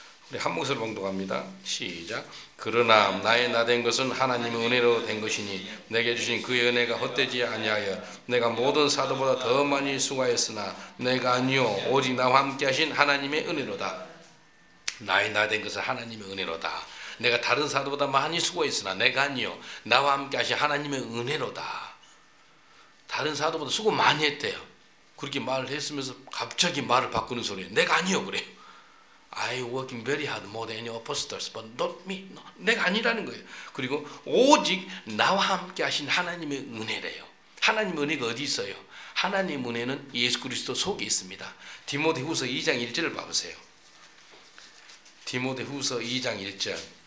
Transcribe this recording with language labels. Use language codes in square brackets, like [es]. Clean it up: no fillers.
[ko] 우리 한 목소리 봉독합니다. 시작. 그러나 나의 나된 것은 하나님의 은혜로 된 것이니 내게 주신 그의 은혜가 헛되지 아니하여 내가 모든 사도보다 더 많이 수고하였으나 내가 아니요 오직 나와 함께 하신 하나님의 은혜로다. 나의 나된 것은 하나님의 은혜로다. 내가 다른 사도보다 많이 수고했으나 내가 아니요 나와 함께 하신 하나님의 은혜로다. 다른 사도보다 수고 많이 했대요. 그렇게 말을 했으면서 갑자기 말을 바꾸는 소리예요. 내가 아니요 그래요. [en] I working very hard more than any apostles, but not me. No. [ko] 내가 아니라는 거예요. 그리고 오직 나와 함께 하신 하나님의 은혜래요. 하나님 은혜가 어디 있어요? 하나님 은혜는 예수 그리스도 속에 있습니다. 디모데후서 2장 1절을 봐보세요. 디모데후서 2장 1절.